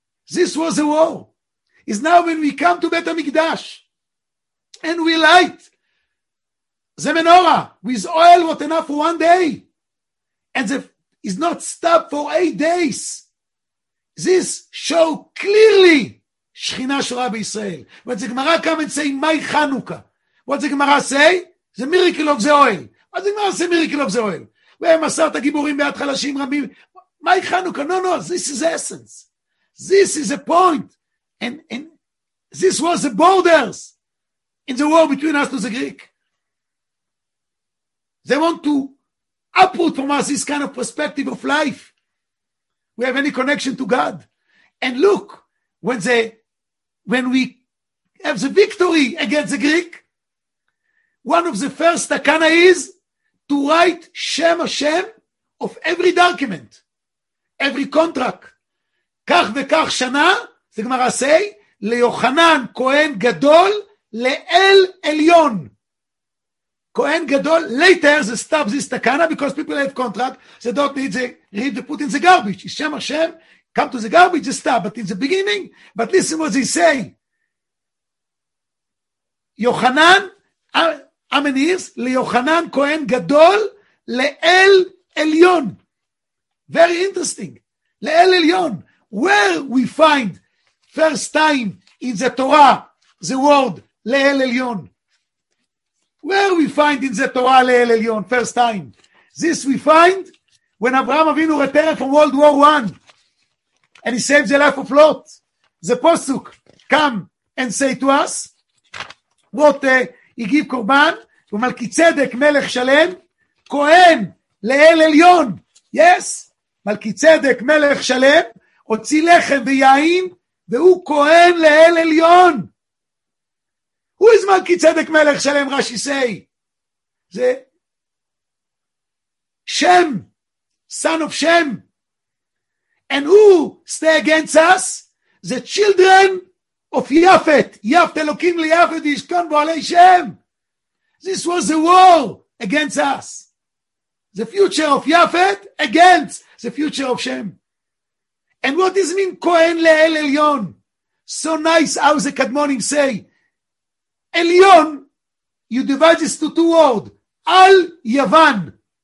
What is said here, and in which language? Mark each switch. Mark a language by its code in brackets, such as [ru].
[en] This was the war. It's now when we come to Beit HaMikdash and we light the menorah with oil, what enough for one day, and the, is not stopped for 8 days. This show clearly Shechina Shora B'Yisrael. But the Gemara come and say, my Chanukah. What does the Gemara say? The miracle of the oil. What does the Gemara say? Miracle of the oil. [he] והם עשר את הגיבורים ביד חלשים רבים. מה הכנו כאן? [en] No, this is essence. This is a point. And this was the borders in the war between us to the Greek. They want to uproot from us this kind of perspective of life. We have any connection to God. And look, when we have the victory against the Greek, one of the first takana is to write Shem Hashem of every document, every contract. [he] כך וכך שנה, זה גמרא [en] say, [he] ליוחנן כהן גדול, לאל עליון. [en] כהן גדול, later, they stop this takana, because people have contract, they don't need to read to put in the garbage. Shem Hashem, come to the garbage, they stop. But in the beginning, but listen what they say. [he] יוחנן, אמניס, ליוחנן כהן גדול, לאל עליון. [en] Very interesting. [he] לאל עליון. [en] Where we find first time in the Torah the word Le'el Elyon? Where we find in the Torah Le'el Elyon first time? This we find when Abraham Avinu returned from World War One and he saved the life of Lot. The Pasuk come and say to us what he gave Korban Melchizedek Melech Shalem Kohen Le'el Elyon. Yes, [he] Melchizedek Melech Shalem הוציא לחם ויין, והוא כהן לאל עליון. [en] Who is [he] מלכי צדק מלך שלם, רשי סי? זה שם, [en] son of [he] שם. [en] And who stay against us? The children of יפת. [he] יפת אלוקים ליפת וישכון בו עלי שם. [en] This was the war against us. The future of יפת against the future of שם. And what does it mean, Kohen Le'el Elyon? So nice how the Kadmonim say, Elyon, you divide this to two words, Al Yavan.